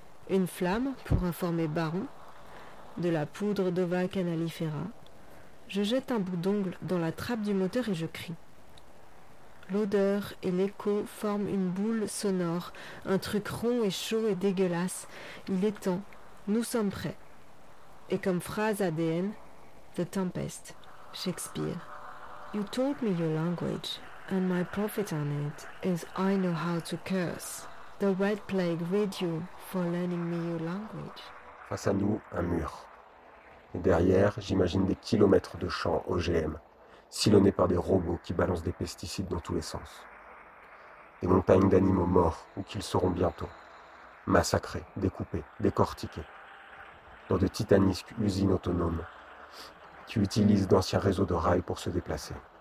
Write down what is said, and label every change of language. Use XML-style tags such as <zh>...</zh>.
<fr>Une flamme pour informer Baron, de la poudre d'Ova canalifera. Je jette un bout d'ongle dans la trappe du moteur et je crie. L'odeur et l'écho forment une boule sonore, un truc rond et chaud et dégueulasse. Il est temps, nous sommes prêts. Et comme phrase ADN, The Tempest, Shakespeare.</fr> <en>You taught me your language, and my profit on it is I know how to curse. The Red Plague rid you for learning me your language.</en> <fr>Face à nous, un mur. Et derrière, j'imagine des kilomètres de champs OGM, sillonnés par des robots qui balancent des pesticides dans tous les sens. Des montagnes d'animaux morts, ou qu'ils seront bientôt. Massacrés, découpés, décortiqués. Dans de titanesques usines autonomes qui utilisent d'anciens réseaux de rails pour se déplacer.</fr>